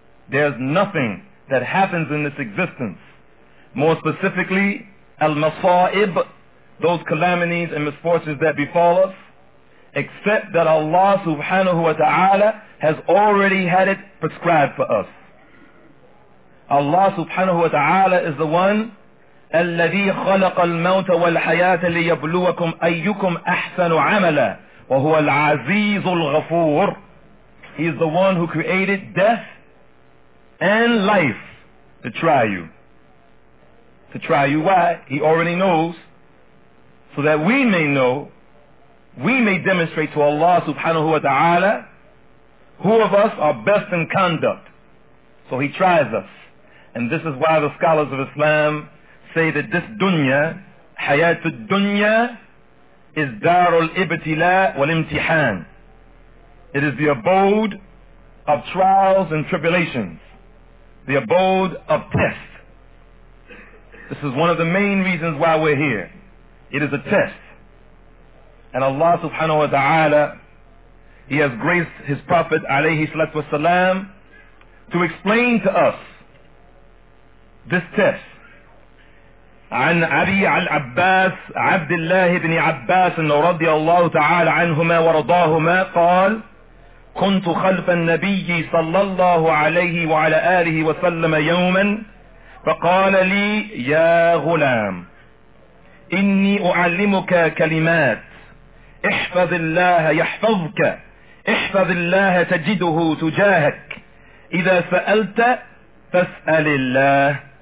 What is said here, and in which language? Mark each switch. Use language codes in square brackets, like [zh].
[en] There's nothing that happens in this existence, more specifically, al-masa'ib, those calamities and misfortunes that befall us, except that Allah subhanahu wa ta'ala has already had it prescribed for us. Allah subhanahu wa ta'ala is the one [ar] الذي خلق الموت والحياة ليبلوكم أيكم أحسن عملا وهو العزيز الغفور. [en] He is the one who created death and life to try you. To try you why? He already knows, so that we may know, we may demonstrate to Allah subhanahu wa ta'ala who of us are best in conduct. So He tries us. And this is why the scholars of Islam say that this dunya, hayat al-dunya, is [ar] darul ibtila wal-imtihan. [en] It is the abode of trials and tribulations, the abode of tests. This is one of the main reasons why we're here. It is a test. And Allah subhanahu wa ta'ala, He has graced His Prophet alayhi salatu wasalam to explain to us this test. [ar] عن أبي العباس عبد الله بن عباس رضي الله تعالى عنهما ورضاهما قال كنت خلف النبي صلى الله عليه وعلى آله وسلم يوما فقال لي يا غلام إني أعلمك كلمات احفظ الله يحفظك احفظ الله تجده تجاهك إذا سألت فاسأل الله